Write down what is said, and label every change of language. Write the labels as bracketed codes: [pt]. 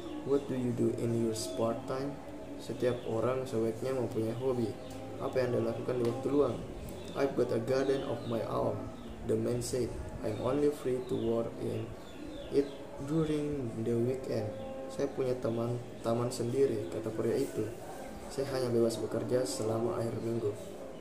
[en] What do you do in your spare time? [id] Setiap orang sebaiknya mempunyai hobi. Apa yang Anda lakukan di waktu luang? [en] I've got a garden of my own, the man said. I'm only free to work in it during the weekend. [id] Saya punya taman sendiri, kata pria itu. Saya hanya bebas bekerja selama akhir minggu.